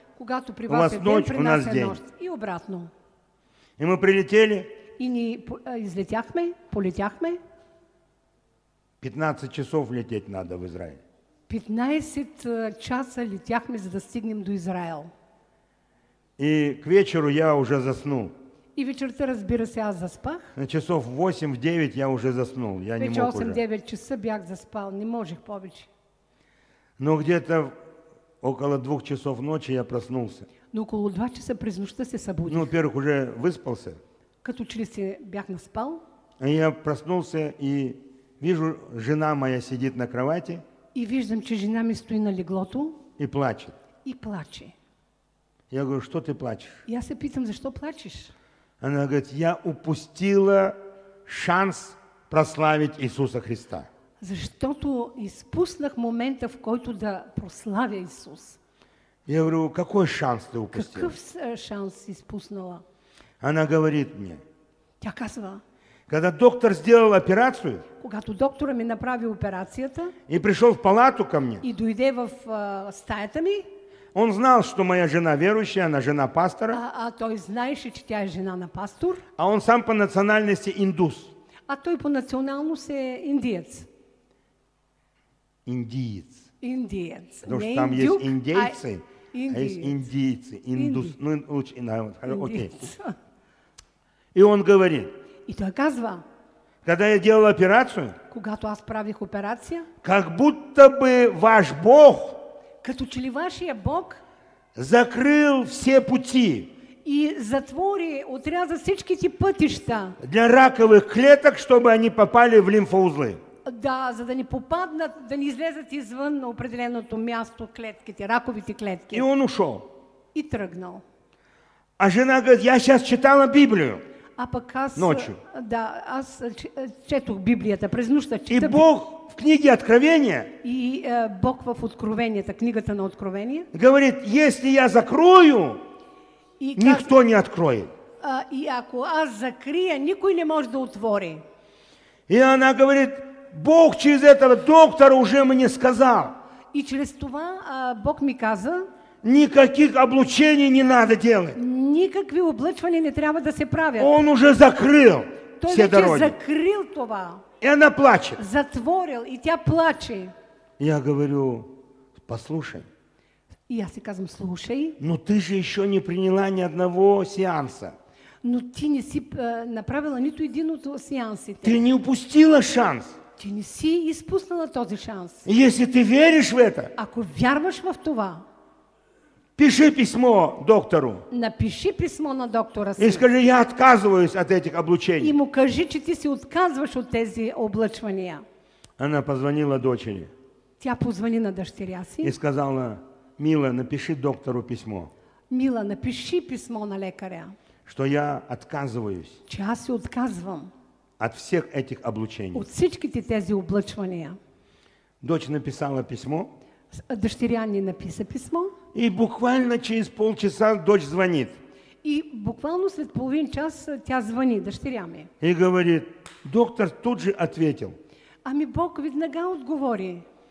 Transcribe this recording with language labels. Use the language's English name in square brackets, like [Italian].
[Bulgarian] Когато при вас е ден, при нас е нощ. И обратно. [Russian] И мы прилетели. [Bulgarian] И ни излетяхме, полетяхме. [Russian] 15 часов лететь надо в Израиль. [Bulgarian] 15 часа летяхме, за да стигнем до Израил. [Russian] И к вечеру я уже заснул. [Bulgarian] И вечерта, разбира се, аз заспах. [Russian] На часов 8-9 я уже заснул. Я [Bulgarian] вече [Russian] не мог уже. [Bulgarian] 8-9 часа бях заспал. Не можех повече. [Russian] Но где-то около 2 часов ночи я проснулся. [Bulgarian] Но около 2 часа през нощта се събудих. [Russian] Ну, во-первых, уже выспался. [Bulgarian] Като че ли си бях наспал. [Russian] И я проснулся и вижу, жена моя сидит на кровати. [Bulgarian] И виждам, че жена ми стои на леглото. [Russian] И плачет. [Bulgarian] И плаче. [Russian] Я говорю, что ты плачешь? [Bulgarian] Я се питам, защо плачешь? [Russian] Она говорит, я упустила шанс прославить Иисуса Христа. [Bulgarian] Защото изпуснах момента, в който да прославя Иисус. [Russian] Я говорю, какой шанс ты упустила? [Bulgarian] Какъв шанс изпуснала? [Russian] Она говорит мне. [Bulgarian] Тя казва. [Russian] Когда доктор сделал операцию. [Bulgarian] Когато доктора ми направи операцията. [Russian] И пришел в палату ко мне. [Bulgarian] И дойде в стаята ми. [Russian] Он знал, что моя жена верующая, она жена пастора. [Bulgarian] Той знаеше, че тя е жена на пастор. [Russian] А он сам по национальности индус. [Bulgarian] А той по националности индиец. Индиец. Индиец. [Russian] Потому что там есть индейцы, а есть индийцы. Индус. Ну, лучше, да, окей. И он говорит. [Bulgarian] И той казва. [Russian] Когда я делал операцию. [Bulgarian] Когато аз правих операция. [Russian] Как будто бы ваш Бог. [Bulgarian] като че ли вашия Бог [Russian] закрил все пути [Bulgarian] и затвори, отряза всичките пътища [Russian] для раковых клеток, чтобы они попали в лимфоузлы. [Bulgarian] Да, за да не попаднат, да не излезат извън на определеното място клетките, раковите клетки. [Russian] И он ушел. [Bulgarian] И тръгнал. [Russian] А жена говорит, я сейчас читала Библию. [Bulgarian] А пък аз, [Russian] ночью. [Bulgarian] Да, аз четох Библията през нощта. [Russian] И Бог в книге Откровения. [Bulgarian] И Бог в Откровенията, книгата на Откровение. [Russian] Говорит, если я закрою, и никто не откроет. [Bulgarian] И ако аз закрия, никой не може да отвори. [Russian] И она говорит, Бог через этого доктора уже мне сказал. [Bulgarian] И через това Бог ми каза. [Russian] Никаких облучений не надо делать. [Bulgarian] Никакви облъчвания не трябва да се правят. [Russian] Он уже закрыл [Bulgarian] Той [Russian] все дороги. [Bulgarian] Той вече закрил това. [Russian] И она плачет. [Bulgarian] Затворил, и тя плаче. [Russian] Я говорю, послушай. [Bulgarian] И аз си казвам, слушай. [Russian] Но ты же еще не приняла ни одного сеанса. [Bulgarian] Но ти не си направила нито един от сеансите. [Russian] Ты не упустила шанс. [Bulgarian] Ти не си изпуснала този шанс. [Russian] Если ты веришь в это. [Bulgarian] Ако вярваш в това. [Russian] Пиши письмо доктору. [Bulgarian] Напиши письмо на доктора. [Russian] И скажи, я отказываюсь от этих облучений. [Bulgarian] И ему кажи, что ты си отказываешь от тези облъчвания. [Russian] Она позвонила дочери. [Bulgarian] Тя позвони на дъщеря си. [Russian] И сказала, мила, напиши доктору письмо. [Bulgarian] Мила, напиши письмо на лекаря. [Russian] Что я отказываюсь. [Bulgarian] Че аз си отказвам. [Russian] От всех этих облучений. [Bulgarian] От всичките тези облъчвания. [Russian] Дочь написала письмо. [Bulgarian] Дъщеря ни написа письмо. [Russian] И буквально через полчаса дочь звонит. [Bulgarian] И буквально след половин час тя звони дъщеря ми. [Russian] И говорит, доктор тут же ответил. [Bulgarian] Ами Бог веднага отговори.